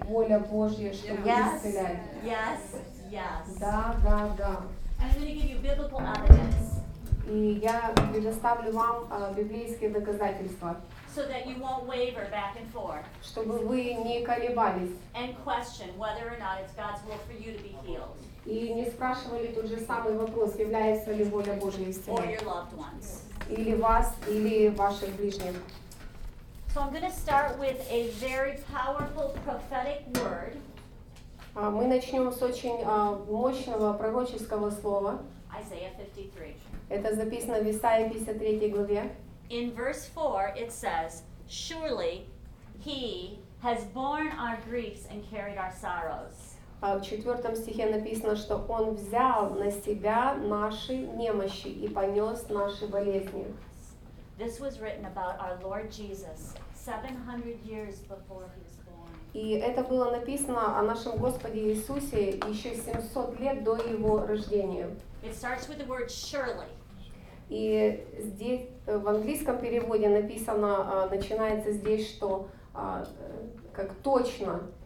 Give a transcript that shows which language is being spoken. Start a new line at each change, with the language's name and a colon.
Russian: воля Божья, чтобы исцелять.
English: Yes, yes.
Russian: Да, да, да. И я предоставлю вам библейские доказательства.
English: So that you won't waver back and forth.
Russian: Чтобы вы не колебались.
English: And question whether or not it's God's will for you to be healed.
Russian: И не спрашивали тот же самый вопрос, является ли воля Божья исцелять.
English: Or your loved ones.
Russian: Или вас, или ваших ближних.
English: So I'm going to start with a very powerful prophetic word.
Russian: Мы начнем с очень мощного пророческого слова.
English: Isaiah 53.
Russian: Это записано в Исаии 53 главе.
English: In verse 4 it says, surely he has borne our griefs and carried our sorrows.
Russian: В 4 стихе написано, что он взял на себя наши немощи и понес наши болезни.
English: This was written about our Lord Jesus 700 years before he was born.
Russian: И это было написано о нашем Господе Иисусе еще 700 лет до его рождения.
English: It starts with the word surely.
Russian: И здесь в английском переводе написано, начинается здесь, что как точно.